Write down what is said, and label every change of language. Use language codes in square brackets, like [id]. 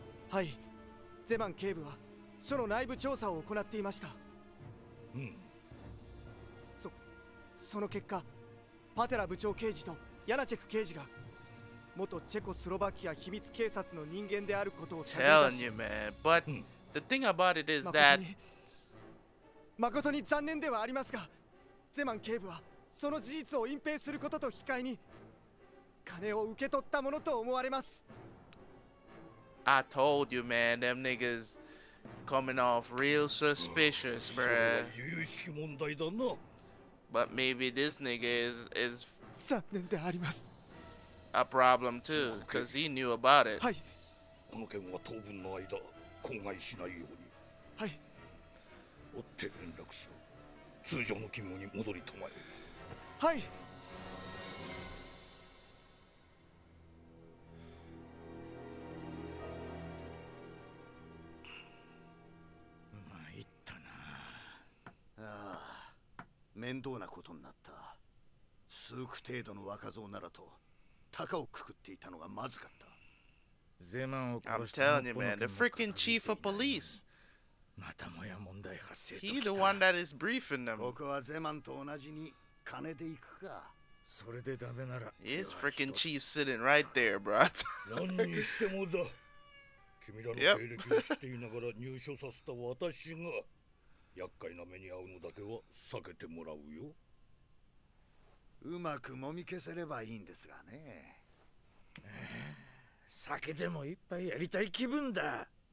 [ja] はい、ゼマン警部は署の内部調査を行っていました。うん。その結果、パテラ部長刑事とヤナチェク刑事が元チェコスロバキア秘密警察の人間であることを知っていました。 [en] Telling you, man. But the thing about it is that [ja] 誠に残念ではありますが、ゼマン警部はその事実を隠蔽することと控えに金を受け取ったものと思われます。 [en] I told you, man. Them niggas coming off real suspicious, bruh. [ja] それは由々しき問題だな。 [en] But maybe this nigga is [ja] 残念であります。 [en] A problem too, because he knew about it. [ja] はい。この件は当分の間、口外しないように。はい。追って連絡する。通常の勤務に戻りたまえ。はい。面倒なことになった。数区程度の若造ならと鷹をくくっていたのがまずかった。ゼマンを殺した。 [en] I'm telling you, man, the freaking chief of police. [ja] またもや問題発生ときた。 [en] He's the one that is briefing them. [ja] ここはゼマンと同じに金で行くか。それでダメなら。 [en] He's freaking chief sitting right there, bro. [ja] 何にしてもだ。君らの経歴を知っていながら入所させた私が厄介な目に遭うのだけは避けてもらうよ。うまくもみ消せればいいんですがね。酒でも一杯やりたい気分だ。